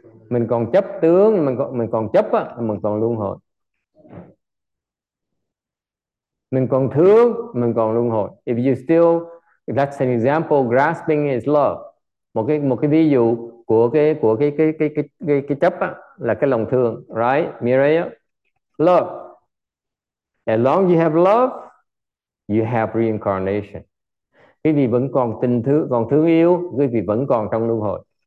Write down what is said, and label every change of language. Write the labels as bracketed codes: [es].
[vi] Mình còn chấp tướng, mình còn chấp á, mình còn luân hồi. Mình còn thương, mình còn luân hồi. [en] If you still, if that's an example, grasping is love. [vi] Một cái ví dụ của cái chấp á là cái lòng thương, right? [en] Mireya, love. As long as you have love, you have reincarnation. [vi] Quý vị vẫn còn tình thương, còn thương yêu, quý vị vẫn còn trong luân hồi.